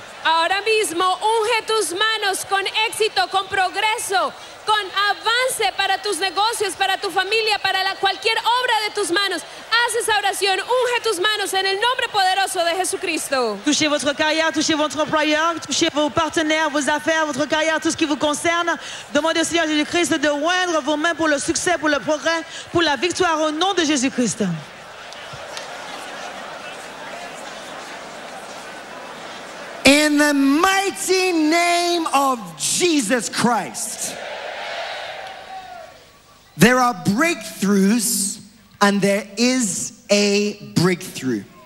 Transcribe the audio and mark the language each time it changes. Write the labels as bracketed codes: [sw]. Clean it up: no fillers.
[es] Ahora mismo, unge tus manos con éxito, con progreso, con avance para tus negocios, para tu familia, para cualquier obra de tus manos. Haz esa oración, unge tus manos en el nombre poderoso de Jesucristo. [fr] Touchez votre carrière, touchez votre employeur, touchez vos partenaires, vos affaires, votre carrière, tout ce qui vous concerne. Demandez au Seigneur Jésus-Christ de joindre vos mains pour le succès, pour le progrès, pour la victoire au nom de Jésus-Christ. [en] In the mighty name of Jesus Christ, there are breakthroughs and there is a breakthrough.